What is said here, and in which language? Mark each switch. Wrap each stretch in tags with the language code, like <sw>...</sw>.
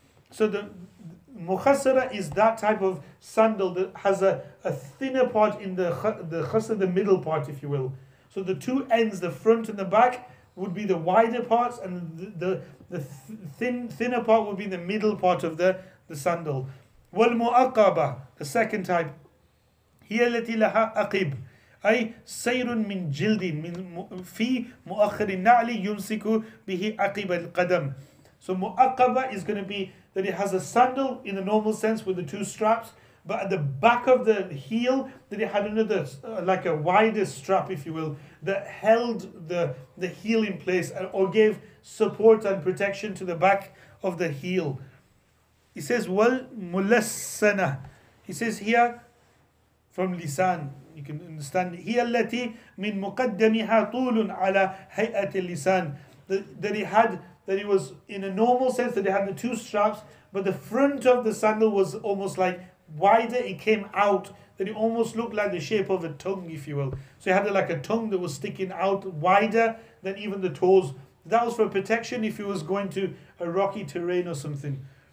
<en>So the مُخَسَّرَ is that type of sandal that has a thinner part in the خَسْر, the middle part, if you will. So the two ends, the front and the back, would be the wider parts, and the thinner part would be the middle part of the sandal.</en> <ar>والمؤقبة,</ar> <en>the second type,</en> <ar>هي التي لها أقب, أي سير من جلد من في مؤخر النعل يمسك به أقب القدم.</ar> <en>So مؤقبة is going to be that it has a sandal in the normal sense with the two straps, but at the back of the heel that it had another like a wider strap, if you will, that held the heel in place or gave support and protection to the back of the heel. He says, "Wal mulassana." He says here, from lisan, you can understand.</en> <ar>هي التي من مقدمها طول على هيئة اللسان.</ar> <en>That it was in a normal sense that it had the two straps, but the front of the sandal was almost like wider. It came out that it almost looked like the shape of a tongue, if you will. So it had like a tongue that was sticking out wider than even the toes. That was for protection if it was going to a rocky terrain or something.</en>